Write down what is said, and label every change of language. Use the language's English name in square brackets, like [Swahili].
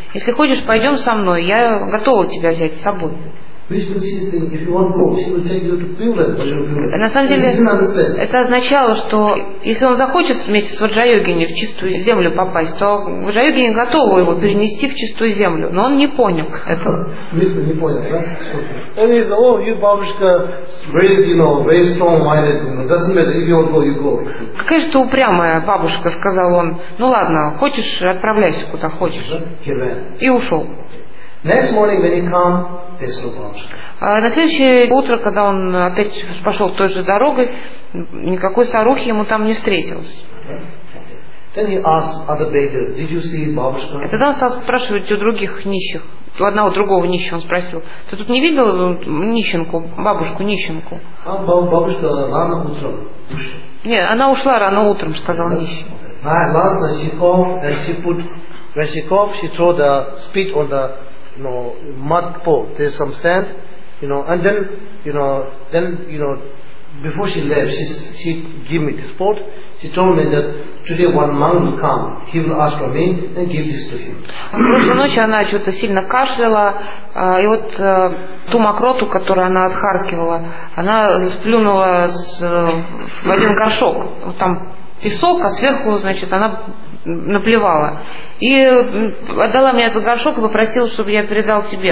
[Russian] Если хочешь, пойдем со мной. Я готова тебя взять с собой». На самом деле, это означало, что если он захочет вместе с Ваджрайогини в чистую землю попасть, то Ваджрайогини готова его перенести в чистую землю. Но он не понял этого. Виспа не понял, да? Он говорит: [English] «О, you, бабушка, raised, you know, very strong-minded, doesn't matter, if you want to go, you go». [Russian] «Какая же ты упрямая бабушка», — сказал он. «Ну ладно, хочешь, отправляйся куда хочешь». И ушел. [English] Next morning when he came, there's no бабушка. [Russian] На следующее утро, когда он опять пошел той же дорогой, никакой сарухи ему там не встретилось. [English] Then he asked other beggar, did you see бабушка? [Russian] И тогда он стал спрашивать у других нищих, у одного другого нищего он спросил: ты тут не видел нищенку, бабушку, нищенку? А бабушка рано утром ушла. Нет, она ушла рано утром, сказал нищий. [English] Last night she came and she put, when she came, she threw the spit on the, you know, mud pole. There's some sand, you know, and then, you know, before she left, she gave me this pot. She told me that today one monk will come. He will ask for me and give this to him. [Russian] Прошлой ночью она что-то сильно кашляла, и вот ту мокроту, которую она отхаркивала, она сплюнула в один горшок. Там песок, а сверху, значит, она наплевала. И отдала мне этот горшок и попросила, чтобы я передал тебе.